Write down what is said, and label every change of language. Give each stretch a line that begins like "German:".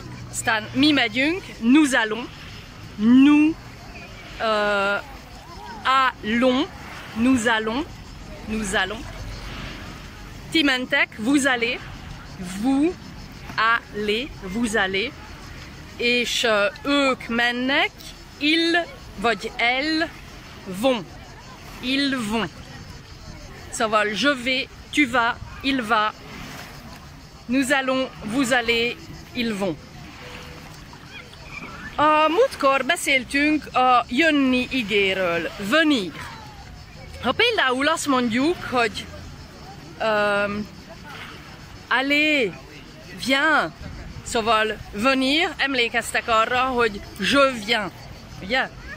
Hungarian: Aztán mi megyünk,
French: nous allons, nous allons.
Hungarian: Ti mentek,
French: vous allez,
Hungarian: és ők mennek,
French: ils vagy elles vont, ils vont. Szóval je vais, tu vas, il va, nous allons, vous allez, ils vont.
Hungarian: A múltkor beszéltünk a jönni igéről, venir. Ha például azt mondjuk, hogy
French: allez, viens,
Hungarian: szóval venir, emlékeztek arra, hogy
French: je viens,
Hungarian: ugye?